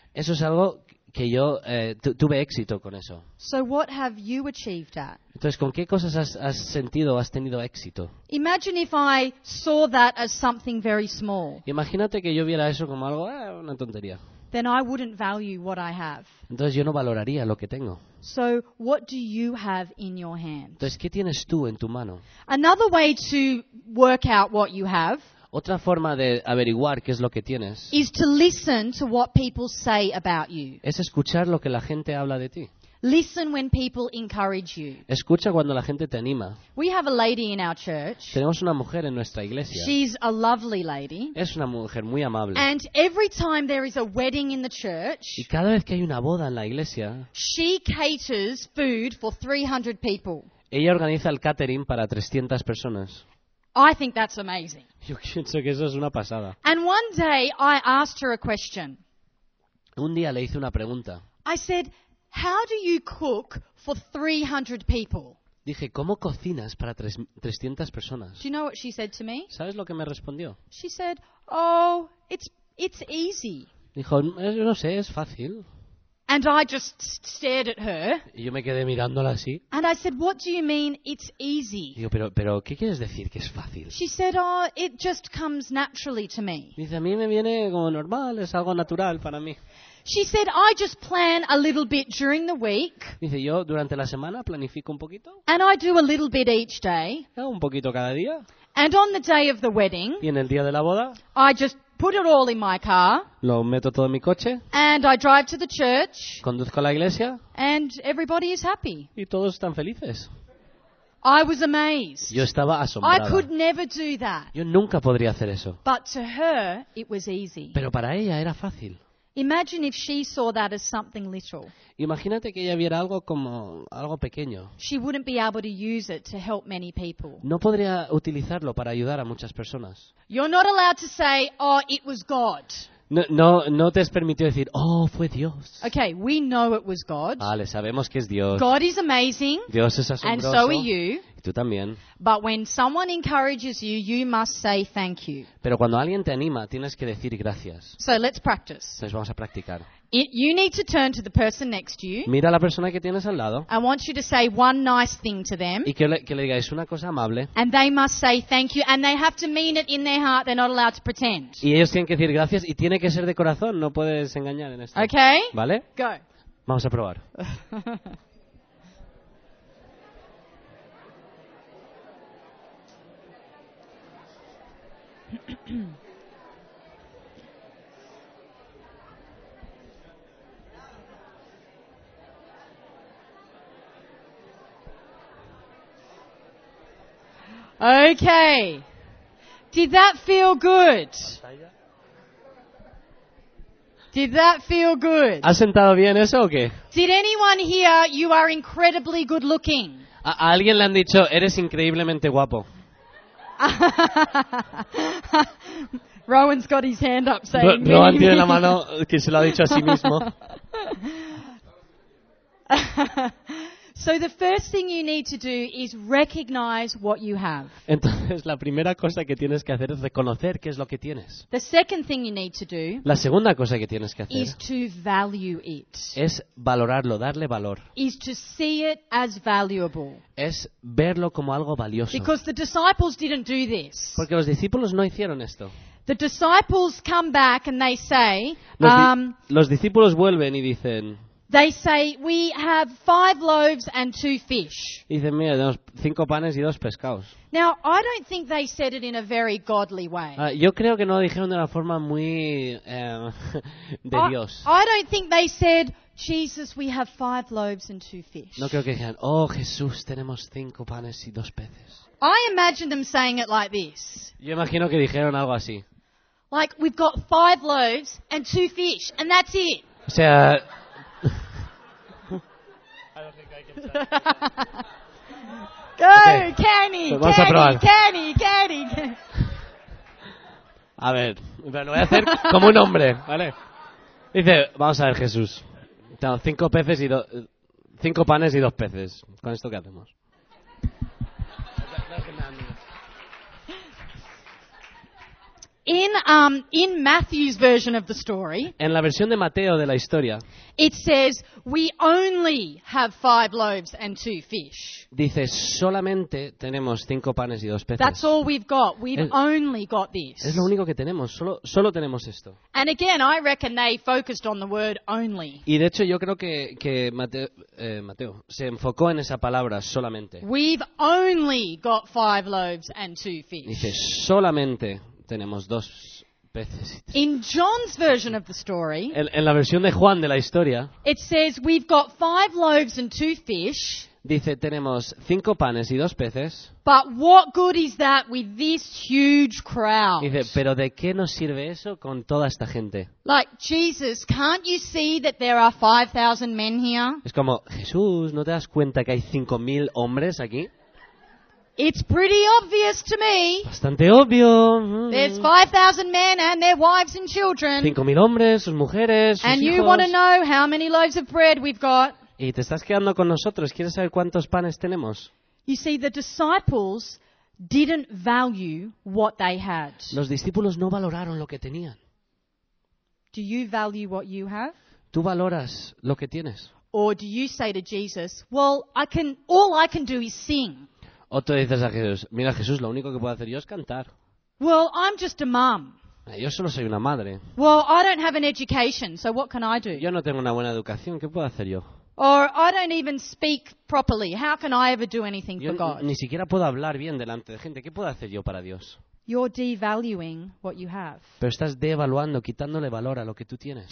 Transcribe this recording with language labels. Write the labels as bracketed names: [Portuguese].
[Spanish] Eso es algo que yo tuve éxito con eso. [English] So what have you achieved at? [Spanish] Entonces, ¿con qué cosas has sentido, has tenido éxito? [English] Imagine if I saw that as something very small. [Spanish] Imagínate que yo viera eso como algo, una tontería. [English] Then I wouldn't value what I have. [Spanish] Entonces yo no valoraría lo que tengo. [English] So what do you have in your hand? [Spanish] Entonces, ¿qué tienes tú en tu mano? [English] Another way to work out what you have. [Spanish] Otra forma de averiguar qué es lo que tienes. [English] Is to listen to what people say about you. [Spanish] Es escuchar lo que la gente habla de ti. [English] Listen when people encourage you. [Spanish] Escucha cuando la gente te anima. [English] We have a lady in our church. [Spanish] Tenemos una mujer en nuestra iglesia. [English] She's a lovely lady. [Spanish] Es una mujer muy amable. [English] And every time there is a wedding in the church. [Spanish] Y cada vez que hay una boda en la iglesia. [English] She caters food for 300 people. [Spanish] Ella organiza el catering para 300 personas. [English] I think that's amazing. [Spanish] Yo pienso que eso es una pasada. [English] And one day I asked her a question. [Spanish] Un día le hice una pregunta. [English] I said, "How do you cook for 300 people?" [Spanish] Dije, ¿cómo cocinas para 300 personas? [English] Do you know what she said to me? [Spanish] ¿Sabes lo que me respondió? [English] She said, "Oh, it's easy." [Spanish] Dijo, no sé, es fácil. [English] And I just stared at her. [Spanish] Y yo me quedé mirándola así. [English] And I said, "What do you mean it's easy?" [Spanish] Y digo, pero ¿qué quieres decir que es fácil? [English] She said, "Oh, it just comes naturally to me." [Spanish] Dice, a mí me viene como normal, es algo natural para mí. [English] She said, "I just plan a little bit during the week." [Spanish] Dice, yo durante la semana planifico un poquito. [English] And I do a little bit each day. [Spanish] Un poquito cada día. [English] And on the day of the wedding. [Spanish] Y en el día de la boda. [English] I just put it all in my car. [Spanish] Lo meto todo en mi coche. [English] And I drive to the church. [Spanish] Conduzco a la iglesia. [English] And everybody is happy. [Spanish] Y todos están felices. [English] I was amazed. [Spanish] Yo estaba asombrado. [English] I could never do that. [Spanish] Yo nunca podría hacer eso. [English] But to her, it was easy. [Spanish] Pero para ella era fácil. [English] Imagine if she saw that as something little. [Spanish] Imagínate que ella viera algo como algo pequeño. [English] She wouldn't be able to use it to help many people. [Spanish] No podría utilizarlo para ayudar a muchas personas. [English] You're not allowed to say, "Oh, it was God." [Spanish] No te es permitido decir, "Oh, fue Dios." [English] Okay, we know it was God. [Spanish] Vale, sabemos que es Dios. [English] God is amazing. [Spanish] Dios es asombroso. [English] And so are you. [Spanish] Tú también. [English] But when someone encourages you, you must say thank you. [Spanish] Pero cuando alguien te anima, tienes que decir gracias. [English] So let's practice. [Spanish] Entonces vamos a practicar. [English] You need to turn to the person next to you. [Spanish] Mira a la persona que tienes al lado. [English] I want you to say one nice thing to them. [Spanish] Y que le digáis una cosa amable. [English] And they must say thank you, and they have to mean it in their heart. They're not allowed to pretend. [Spanish] Y ellos tienen que decir gracias y tiene que ser de corazón. No puedes engañar en esto. [English] Okay. [Spanish] Vale. [English] Go. [Spanish] Vamos a probar. [English] Okay. Did that feel good? Did that feel good? [Spanish] ¿Ha sentado bien eso o qué? [English] Did anyone here, you are incredibly good looking? [Spanish] ¿A alguien le han dicho, eres increíblemente guapo? [English] Rowan's got his hand up saying. But [Spanish] Rowan tiene la mano que se lo ha dicho a sí mismo. [English] So the first thing you need to do is recognize what you have. [Spanish] Entonces la primera cosa que tienes que hacer es reconocer qué es lo que tienes. [English] The second thing you need to do. [Spanish] La segunda cosa que tienes que hacer [English] is to value it. [Spanish] Es valorarlo, darle valor. [English] Is to see it as valuable. [Spanish] Es verlo como algo valioso. [English] Because the disciples didn't do this. [Spanish] Porque los discípulos no hicieron esto. [English] The disciples come back and they say. [Spanish] Los discípulos vuelven y dicen. [English] They say, "We have 5 loaves and 2 fish." [Spanish] Dicen, mira, tenemos 5 panes y 2 pescados. [English] Now, I don't think they said it in a very godly way. [Spanish] Yo creo que no lo dijeron de una forma muy de Dios. [English] I don't think they said, "Jesus, we have 5 loaves and 2 fish." [Spanish] No creo que dijeran, oh, Jesús, tenemos 5 panes y 2 peces. [English] I imagine them saying it like this. [Spanish] Yo imagino que dijeron algo así. [English] Like, we've got 5 loaves and 2 fish, and that's it. [Spanish] O sea, [English] go, Kenny, okay. Kenny. [Spanish] A ver, lo voy a hacer como un hombre, ¿vale? Dice, vamos a ver, Jesús. Tengo 5 panes y 2 peces. ¿Con esto qué hacemos? [English] In Matthew's version of the story, [Spanish] en la versión de Mateo de la historia, [English] it says we only have 5 loaves and 2 fish. [Spanish] Dice solamente tenemos 5 panes y 2 peces. [English] That's all we've got. Only got this. [Spanish] Es lo único que tenemos. Solo tenemos esto. [English] And again, I reckon they focused on the word only. [Spanish] Y de hecho, yo creo que Mateo se enfocó en esa palabra solamente. [English] We've only got 5 loaves and 2 fish. [Spanish] Dice solamente. Tenemos 2 peces. [English] In John's version of the story, [Spanish] en la versión de Juan de la historia, [English] it says we've got 5 loaves and 2 fish. [Spanish] Dice tenemos 5 panes y 2 peces. [English] But what good is that with this huge crowd? [Spanish] Dice, pero ¿de qué nos sirve eso con toda esta gente? [English] Like, Jesus, can't you see that there are 5,000 men here? [Spanish] Es como, Jesús, ¿no te das cuenta que hay 5,000 hombres aquí? [English] It's pretty obvious to me. [Spanish] Bastante obvio. [English] There's 5,000 men and their wives and children. [Spanish] 5,000 hombres, sus mujeres, sus [English] and [Spanish] hijos. [English] You want to know how many loaves of bread we've got? [Spanish] Y te estás quedando con nosotros. ¿Quieres saber cuántos panes tenemos? [English] You see, the disciples didn't value what they had. [Spanish] Los discípulos no valoraron lo que tenían. [English] Do you value what you have? [Spanish] ¿Tú valoras lo que tienes? [English] Or do you say to Jesus, "Well, all I can do is sing"? [Spanish] O tú dices a Jesús, "Mira, Jesús, lo único que puedo hacer yo es cantar." [English] Well, I'm just a mom. [Spanish] Yo solo soy una madre. [English] Well, I don't have an education, so what can I do? [Spanish] Yo no tengo una buena educación, ¿qué puedo hacer yo? [English] Or I don't even speak properly. How can I ever do anything [Spanish] yo [English] for God? [Spanish] Ni siquiera puedo hablar bien delante de gente. ¿Qué puedo hacer yo para Dios? [English] You're devaluing what you have. [Spanish] Pero estás devaluando, quitándole valor a lo que tú tienes.